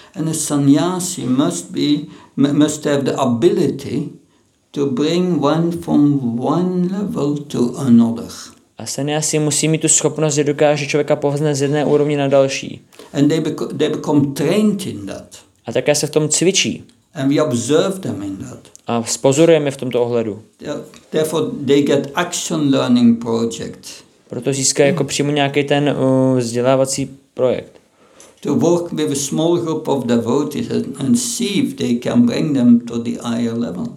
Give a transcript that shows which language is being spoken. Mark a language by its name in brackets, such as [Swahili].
[English] And a sannyasi must have the ability to bring one from one level to another. [Czech] A sannyasi musí mít tu schopnost, že dokáže člověka povznést z jedné úrovně na další. [English] And they become trained in that. [Czech] A také se v tom cvičí. [English] And we observe them in that. [Czech] A pozorujeme v tomto ohledu. [English] Therefore they get action learning project. [Czech] Proto získají jako přímo nějaký ten vzdělávací projekt. [English] To work with a small group of devotees and see if they can bring them to the higher level.